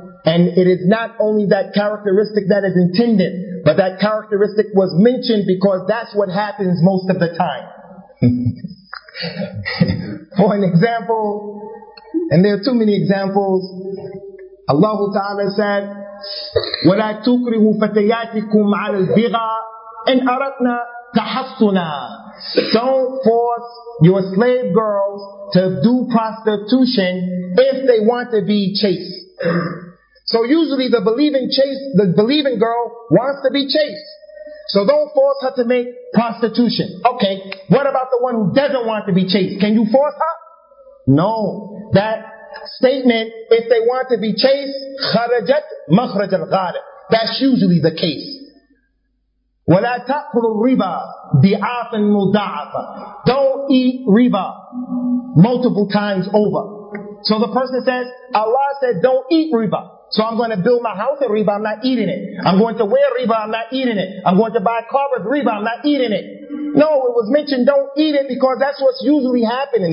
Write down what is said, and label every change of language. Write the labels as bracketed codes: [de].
[en] And it is not only that characteristic that is intended, but that characteristic was mentioned because that's what happens most of the time. For an example, and there are too many examples, Allah Ta'ala said, [ar] ولا تكرهوا فتياتكم على البغاء إن أردنا تحصنا. [en] Don't force your slave girls to do prostitution if they want to be chaste. So usually the believing girl wants to be chaste. So don't force her to make prostitution. Okay, what about the one who doesn't want to be chaste? Can you force her? No. That statement, if they want to be chaste, [ar] خرجت مخرج الغار. [en] That's usually the case. [ar] ولا تأكل الربا ضعافا مضاعفا. [en] Don't eat riba multiple times over. So the person says, Allah said, don't eat riba. So I'm going to build my house with riba, I'm not eating it. I'm going to wear riba, I'm not eating it. I'm going to buy a car with riba, I'm not eating it. No, it was mentioned, don't eat it, because that's what's usually happening.